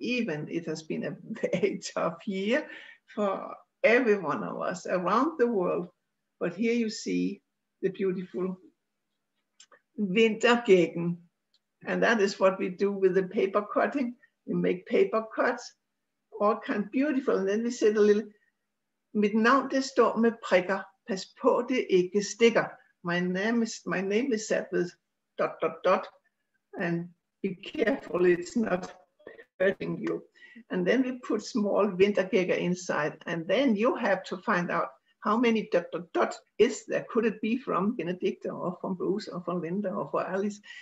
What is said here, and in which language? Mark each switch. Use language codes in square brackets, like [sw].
[en] Even it has been a very tough year for every one of us around the world. But here you see the beautiful Vintergækken. And that is what we do with the paper cutting. We make paper cuts, all kind of beautiful. And then we said a little, [da] mit navn det står med prikker, pas på det ikke stikker. [en] My name is set with dot, dot, dot. And be careful, it's not hurting you. And then we put small Vintergækker inside. And then you have to find out how many dot, dot, dot is there? Could it be from Benedicta or from Bruce or from Linda or from Alice?